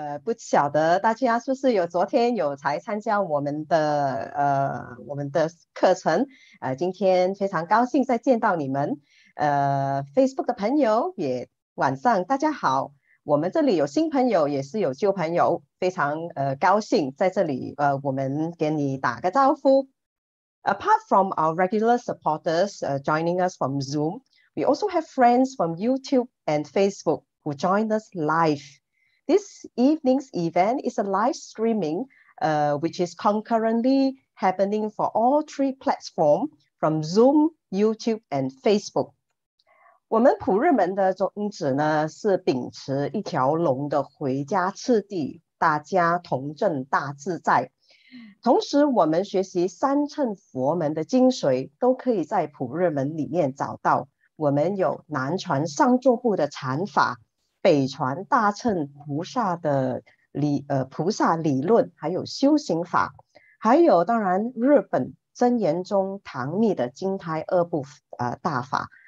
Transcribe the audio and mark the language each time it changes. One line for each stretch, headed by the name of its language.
Chinese: 不晓得大家是不是有昨天有才参加我们的课程？今天非常高兴再见到你们。Facebook 的朋友也晚上大家好。我们这里有新朋友，也是有旧朋友，非常高兴在这里我们给你打个招呼。
English: Apart from our regular supporters joining us from Zoom, we also have friends from YouTube and Facebook who join us live. This evening's event is a live streaming which is concurrently happening for all three platforms from Zoom, YouTube and Facebook.
Chinese: 我们普日门的宗旨呢，是秉持一条龙的回家次第，大家同证大自在。同时我们学习三乘佛门的精髓，都可以在普日门里面找到。我们有南传上座部的禅法，北传大乘菩萨的菩萨理论，还有修行法，还有当然日本真言宗唐密的经胎二部大法。